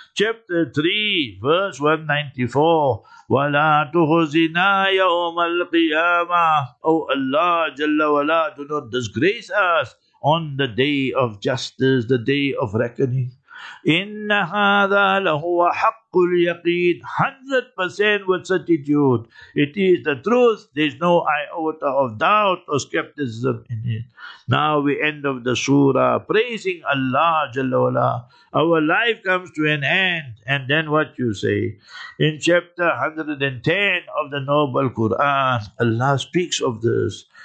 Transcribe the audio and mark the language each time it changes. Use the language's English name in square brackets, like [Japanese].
[English] Chapter 3, verse 194. [Arabic] وَلَا تُخُزِنَا يَوْمَ الْقِيَامَةِ [English] O Allah, Jalla Wala, do not disgrace us on the day of justice, the day of reckoning. [Arabic] إِنَّ هَذَا لَهُوَ حَقُّ الْيَقِينِ [English] 100% with certitude. It is the truth. There is no iota of doubt or skepticism in it. Now we end of the surah, praising Allah, Jalla Wala. Our life comes to an end, and then what you say? In chapter 110 of the Noble Quran, Allah speaks of this.